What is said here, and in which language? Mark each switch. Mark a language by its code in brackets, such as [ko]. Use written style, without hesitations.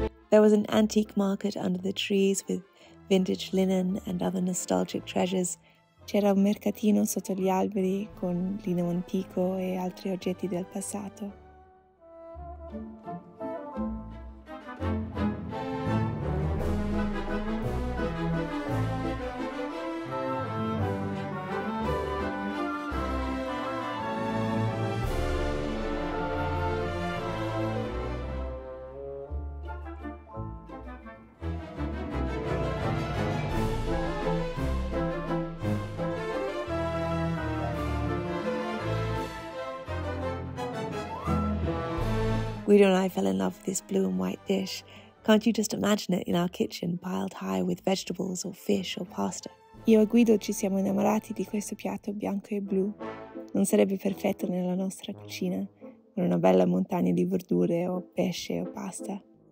[en] There was an antique market under the trees with vintage linen and other nostalgic treasures. [it] C'era un mercatino sotto gli alberi con lino antico e altri oggetti del passato. [en] Guido and I fell in love with this blue and white dish. Can't you just imagine it in our kitchen, piled high with vegetables or fish or pasta? [it] Io e Guido ci siamo innamorati di questo piatto bianco e blu. Non sarebbe perfetto nella nostra cucina, con una bella montagna di verdure o pesce o pasta.